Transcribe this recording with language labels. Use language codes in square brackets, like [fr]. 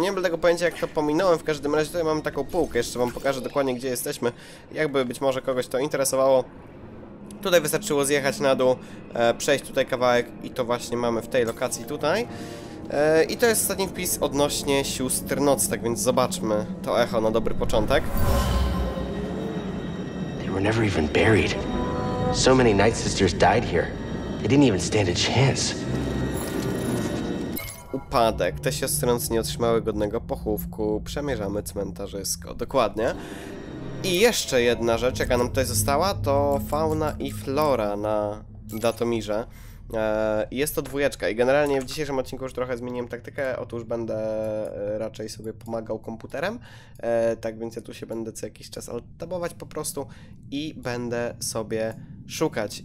[pl] Nie mam tego pojęcia, jak to pominąłem, w każdym razie tutaj mamy taką półkę, jeszcze wam pokażę dokładnie, gdzie jesteśmy, jakby być może kogoś to interesowało. Tutaj wystarczyło zjechać na dół, przejść tutaj kawałek i to właśnie mamy w tej lokacji tutaj. I to jest ostatni wpis odnośnie Sióstr Nocy, tak więc zobaczmy to echo na dobry początek. [en] They were never even buried. So many Night Sisters died here. They didn't even stand a chance. [pl] Upadek. Te siostry nocy nie otrzymały godnego pochówku. Przemierzamy cmentarzysko. Dokładnie. I jeszcze jedna rzecz, jaka nam tutaj została, to fauna i flora na Datomirze. Jest to dwójeczka i generalnie w dzisiejszym odcinku już trochę zmieniłem taktykę, otóż będę raczej sobie pomagał komputerem, tak więc ja tu się będę co jakiś czas altabować po prostu i będę sobie szukać.